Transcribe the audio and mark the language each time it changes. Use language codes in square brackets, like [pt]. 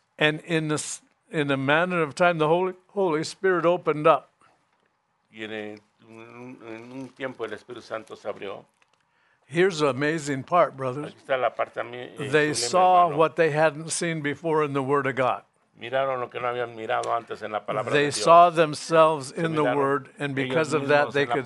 [en] And in the manner of time, the Holy Spirit opened up. [es] Y en un tiempo el Espíritu Santo se abrió. [en] Here's the amazing part, brothers. [es] Aquí está la parte a mí, [en] they saw what they hadn't seen before in the Word of God. [es] Miraron lo que no habían mirado antes en la palabra [en] they [es] de Dios. [en] Saw themselves in the Word, and because of that, they could